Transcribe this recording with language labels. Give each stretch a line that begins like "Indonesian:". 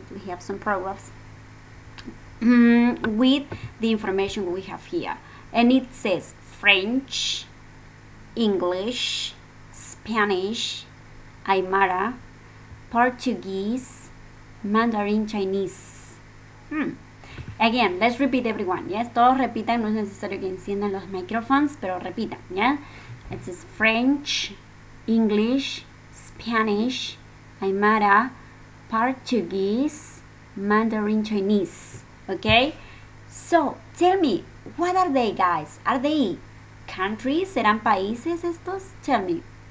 English: We have some paragraphs. With the information we have here, and it says French, English, Spanish, Aymara, Portuguese, Mandarin, Chinese.
Spanish: Again, let's repeat everyone. Yes, todos repitan. No es necesario que enciendan los micrófonos, pero repitan. Yeah,
English: It's French, English, Spanish, Aymara, Portuguese, Mandarin, Chinese. Okay? So, tell me, what are they, guys? Are they countries? ¿Serán países estos? Tell me.